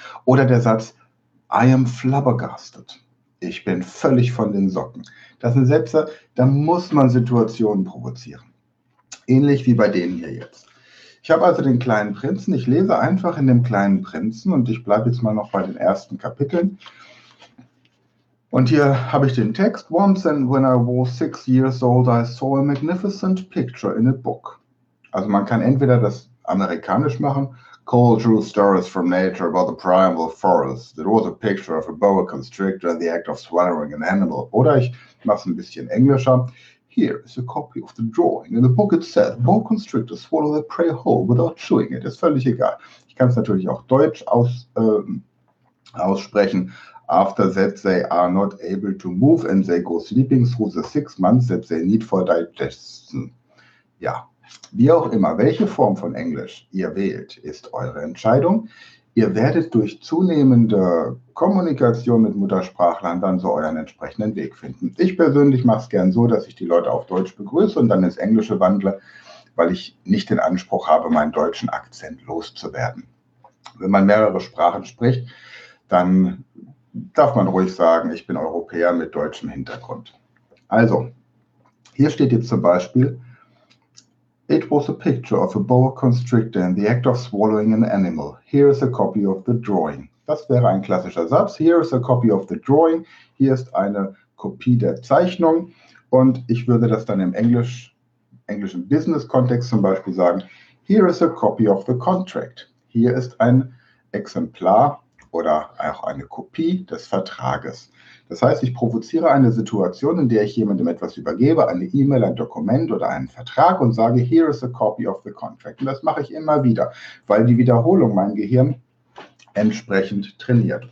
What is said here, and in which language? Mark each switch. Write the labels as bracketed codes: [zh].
[de] Oder der Satz, [en] I am flabbergasted. [de] Ich bin völlig von den Socken. Das sind Sätze, da muss man Situationen provozieren. Ähnlich wie bei denen hier jetzt. Ich habe also den kleinen Prinzen. Ich lese einfach in dem kleinen Prinzen und ich bleibe jetzt mal noch bei den ersten Kapiteln. Und hier habe ich den Text. [en] Once and when I was 6 years old, I saw a magnificent picture in a book. [de] Also man kann entweder das amerikanisch machen. [en] Cole drew stories from nature about the primal forest. It was a picture of a boa constrictor and the act of swallowing an animal. [de] Oder ich mache es ein bisschen englischer. [en] Here is a copy of the drawing. In the book it said, boa constrictor swallow the prey whole without chewing it. [de] Ist völlig egal. Ich kann es natürlich auch deutsch aussprechen. [en] After that, they are not able to move and they go sleeping through the 6 months that they need for digestion. [de] Ja, wie auch immer, welche Form von Englisch ihr wählt, ist eure Entscheidung. Ihr werdet durch zunehmende Kommunikation mit Muttersprachlern dann so euren entsprechenden Weg finden. Ich persönlich mache es gern so, dass ich die Leute auf Deutsch begrüße und dann ins Englische wandle, weil ich nicht den Anspruch habe, meinen deutschen Akzent loszuwerden. Wenn man mehrere Sprachen spricht, dann darf man ruhig sagen, ich bin Europäer mit deutschem Hintergrund. Also, hier steht jetzt zum Beispiel, [en] It was a picture of a boa constrictor in the act of swallowing an animal. Here is a copy of the drawing. [de] Das wäre ein klassischer Satz. [en] Here is a copy of the drawing. [de] Hier ist eine Kopie der Zeichnung. Und ich würde das dann im englischen Business-Kontext zum Beispiel sagen. [en] Here is a copy of the contract. [de] Hier ist ein Exemplar oder auch eine Kopie des Vertrages. Das heißt, ich provoziere eine Situation, in der ich jemandem etwas übergebe, eine E-Mail, ein Dokument oder einen Vertrag und sage, [en] here is a copy of the contract. [de] Und das mache ich immer wieder, weil die Wiederholung mein Gehirn entsprechend trainiert.